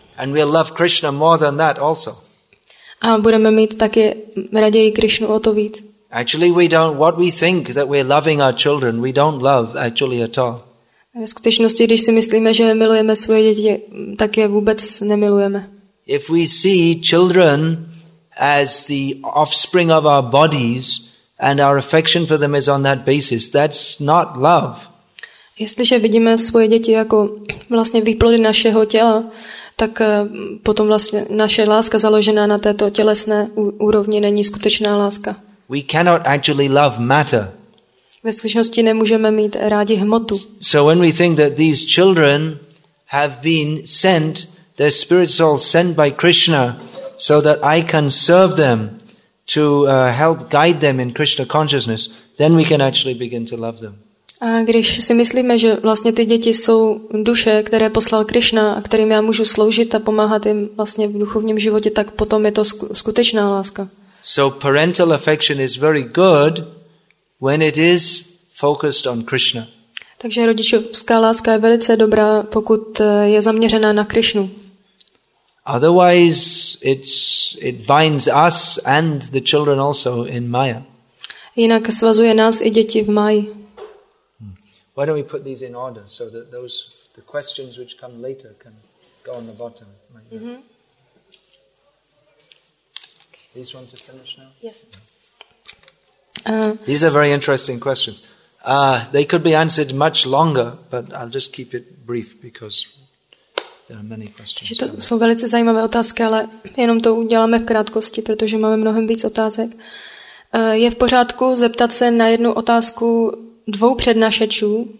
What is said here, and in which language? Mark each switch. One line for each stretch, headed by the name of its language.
English: And we'll love Krishna more than that also.
Czech: A budeme mít taky raději Krishnu o to víc.
English: Actually, we don't. What we think that we're loving our children, we don't love actually at all.
Czech: Ve skutečnosti, když si myslíme, že milujeme svoje děti, tak je vůbec nemilujeme.
English: If we see children as the offspring of our bodies, and our affection for them is on that basis, that's not love.
Czech: Jestliže vidíme svoje děti jako vlastně výplody našeho těla, tak potom vlastně naše láska založená na této tělesné úrovni není skutečná láska.
English: We cannot actually love matter.
Czech: Ve skutečnosti nemůžeme mít rádi hmotu.
English: So when we think that these children have been sent, their spirits all sent by Krishna, so that I can serve them, to help guide them in Krishna consciousness, then we can actually begin to love them.
Czech: A když si myslíme, že vlastně ty děti jsou duše, které poslal Krishna, a kterým já můžu sloužit a pomáhat jim vlastně v duchovním životě, tak potom je to skutečná láska.
English: So parental affection is very good when it is focused on Krishna.
Czech: Takže rodičovská láska je velice dobrá, pokud je zaměřená na Krishnu.
English: Otherwise, it binds us and the children also in Maya.
Czech: Jinak svazuje nás i děti v Maji.
English: Why don't we put these in order so that the questions which come later can go on the bottom? Like mm-hmm. These ones are finished now. Yes. These are very interesting questions. They could be answered much longer, but I'll just keep it brief because.
Czech: Že to jsou velice zajímavé otázky, ale jenom to uděláme v krátkosti, protože máme mnohem víc otázek. Je v pořádku zeptat se na jednu otázku dvou přednášečů?